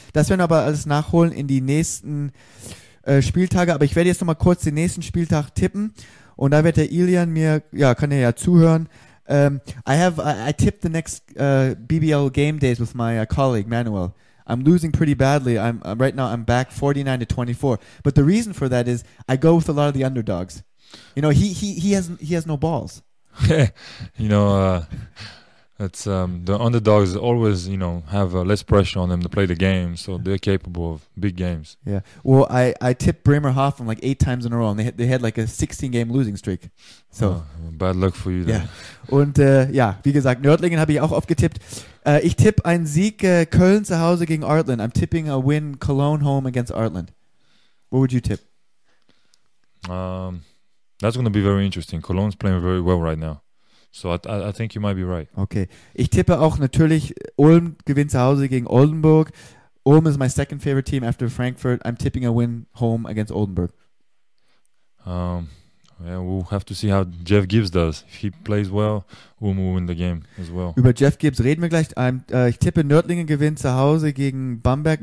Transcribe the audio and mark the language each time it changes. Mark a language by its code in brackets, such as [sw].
[de] Das werden wir aber alles nachholen in die nächsten Spieltage, aber ich werde jetzt nochmal kurz den nächsten Spieltag tippen und da wird der Ilian mir, ja, kann er ja zuhören. [en] I tipped the next BBL game days with my colleague Manuel. I'm losing pretty badly. I'm back 49-24. But the reason for that is I go with a lot of the underdogs. You know, he has no balls. You know, it's the underdogs always, you know, have less pressure on them to play the game, so they're capable of big games. Yeah. Well, I tipped Bremerhaven like 8 times in a row, and they had like a 16-game losing streak. So bad luck for you then. Yeah. [de] Und ja, wie gesagt, Nördlingen habe ich auch oft getippt. Ich tippe einen Sieg Köln zu Hause gegen Artland. [en] I'm tipping a win Cologne home against Artland. What would you tip? That's going to be very interesting. Cologne's playing very well right now. So I think you might be right. Okay. [de] Ich tippe auch natürlich, Ulm gewinnt zu Hause gegen Oldenburg. [en] Ulm is my second favorite team after Frankfurt. I'm tipping a win home against Oldenburg. Yeah, we'll have to see how Jeff Gibbs does. If he plays well, Ulm will win the game as well. [de] Über Jeff Gibbs reden wir gleich. Ich tippe, Nördlingen gewinnt zu Hause gegen Bamberg.